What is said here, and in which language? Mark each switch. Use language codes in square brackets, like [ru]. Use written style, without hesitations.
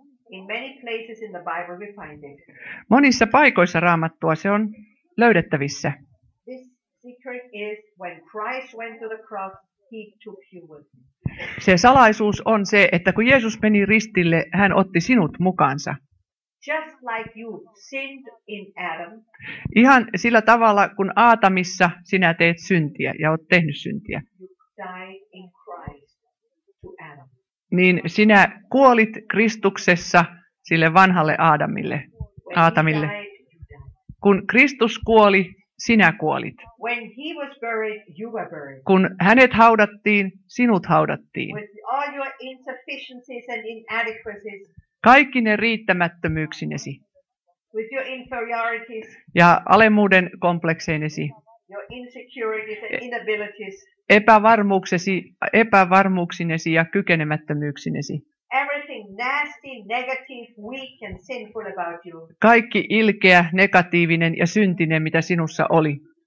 [en] In many places in the Bible we find it. [fi] Monissa paikoissa Raamattua se on löydettävissä. [en] This secret is when Christ went to the cross, he took you with him. [fi] Se salaisuus on se, että kun Jeesus meni ristille, hän otti sinut mukaansa. [en] Just like you sinned in Adam. [fi] Ihan sillä tavalla, kun Aatamissa sinä teet syntiä ja olet tehnyt syntiä. [en] You died in Christ to Adam. [fi] Niin sinä kuolit Kristuksessa sille vanhalle Aadamille, Aatamille. Kun Kristus kuoli, sinä kuolit. [en] When he was buried, you were buried. [fi] Kun hänet haudattiin, sinut haudattiin. [en] With all your insufficiencies and inadequacies. [fi] Kaikki ne riittämättömyyksinesi. [en] With your inferiorities. [fi] Ja alemmuuden komplekseinesi. [en] Your insecurities and inabilities. [fi] Epävarmuuksinesi ja kykenemättömyyksinesi. [en] Everything nasty, negative, weak and sinful about you. [fi] Kaikki ilkeä, negatiivinen ja syntinen, mitä sinussa oli.